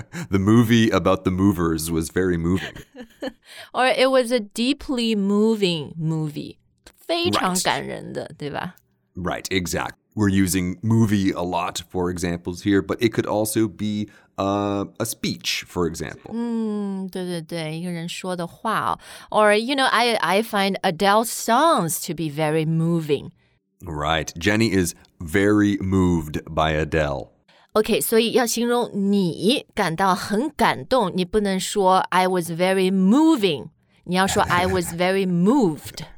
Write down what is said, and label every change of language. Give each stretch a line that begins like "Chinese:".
English: The movie about the movers was very moving. Or it was a deeply moving movie.
Chinese: 非常感人的,
English: right.
Chinese: 对吧?
English: Right, exactly. We're using movie a lot for examples here, but it could also be... a speech, for example.
Chinese: 对对对，一个人说的话哦。
English: Or, you know, I find Adele's songs to be very moving. Right. Jenny is very moved by Adele.
Chinese: Okay, 所以要形容你感到很感动，你不能说
English: I was very moving.
Chinese: 你要说
English: I was very moved.